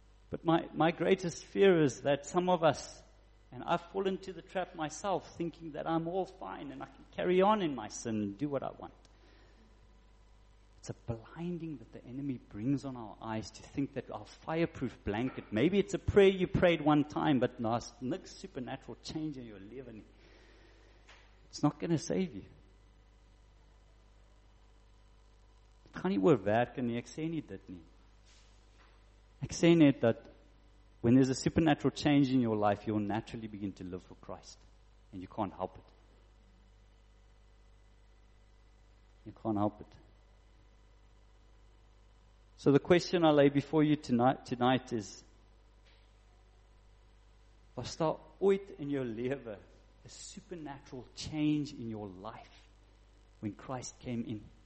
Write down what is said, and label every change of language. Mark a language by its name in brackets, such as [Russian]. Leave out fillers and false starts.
[English] But my greatest fear is that some of us, and I've fallen into the trap myself, thinking that I'm all fine and I can carry on in my sin and do what I want. It's a blinding that the enemy brings on our eyes to think that our fireproof blanket, maybe it's a prayer you prayed one time, but no supernatural change in your life, it's not going to save you. [Afrikaans] Dit gaan nie oor werk nie, ek sê nie dit nie. Ek sê net dat [English] when there's a supernatural change in your life, you'll naturally begin to live for Christ, and you can't help it. You can't help it. So the question I lay before you tonight is, [Afrikaans] was daar ooit in jou lewe [English] a supernatural change in your life when Christ came in?